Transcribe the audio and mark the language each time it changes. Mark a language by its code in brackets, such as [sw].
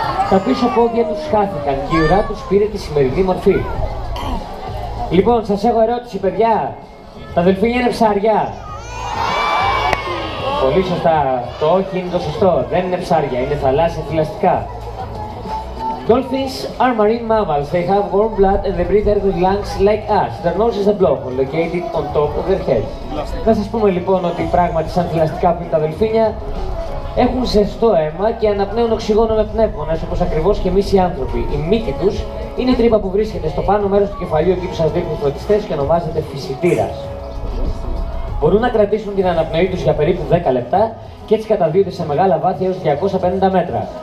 [el] Τα πίσω πόδια τους χάθηκαν και η ουρά τους πήρε τη σημερινή μορφή. Λοιπόν, σας έχω ερώτηση, παιδιά. Τα δελφίνια είναι ψάρια. Πολύ σωστά. Το όχι είναι το σωστό. Δεν είναι ψάρια, είναι θαλάσσια θηλαστικά. [en] Dolphins are marine mammals. They have warm blood and they breathe air with lungs like us. Their nose is a blowhole located on top of their head. [el] Να σας πούμε λοιπόν ότι πράγματι σαν θηλαστικά που είναι τα δελφίνια έχουν ζεστό αίμα και αναπνέουν οξυγόνο με πνεύμονες όπως ακριβώς και εμείς οι άνθρωποι. Η μύτη τους είναι η τρύπα που βρίσκεται στο πάνω μέρος του κεφαλίου εκεί που σας δείχνουν φωτιστές και ονομάζεται φυσιτήρας. Μπορούν να κρατήσουν την αναπνοή τους για περίπου 10 λεπτά και έτσι καταδύονται σε μεγάλα βάθη έως 250 μέτρα.